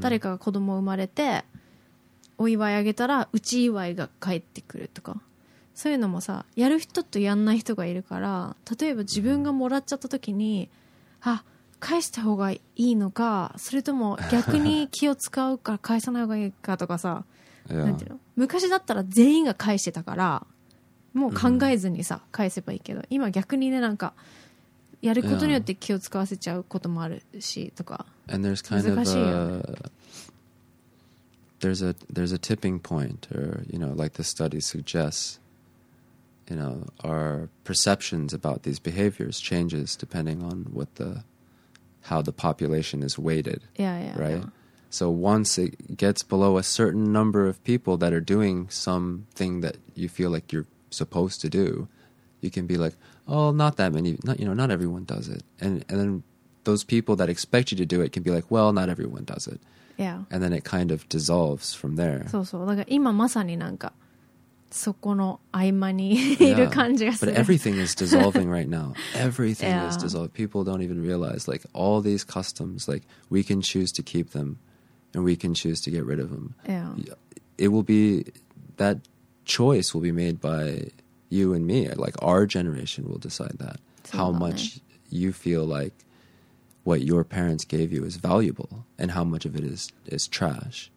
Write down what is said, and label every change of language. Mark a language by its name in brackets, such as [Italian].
[Japanese] 誰かが子供生まれてお祝いあげたらうち祝いが返ってくるとか、そういうのもさ、やる人とやんない人がいるから、例えば自分がもらっちゃった時に、あ、返した方がいいのか、それとも逆に気を使うか返さない方がいいかとかさ、 [English] yeah. [Japanese] なんていうの、昔だったら全員が返してたからもう考えずにさ、mm-hmm. 返せばいいけど、今逆にね、なんかやることによって気を使わせちゃうこともあるしとか、 [English] yeah. And there's kind [Japanese] 難しいよね。 [English] There's a tipping point, or you know, like the study suggestsYou know, our perceptions about these behaviors changes depending on how the population is weighted. Yeah, yeah. Right? Yeah. So once it gets below a certain number of people that are doing something that you feel like you're supposed to do, you can be like, oh, not that many, not, you know, not everyone does it. And then those people that expect you to do it can be like, well, not everyone does it. Yeah. And then it kind of dissolves from there. [Japanese] そうそう。だから今まさになんか。そこの合間にいる感じがする。 [English] But everything is dissolving right now. Everything is dissolving. People don't even realize, like, all these customs, like, we can choose to keep them and we can choose to get rid of them. Yeah. It will be, that choice will be made by you and me. Like, our generation will decide that. How much you feel like what your parents gave you is valuable and how much of it is trash.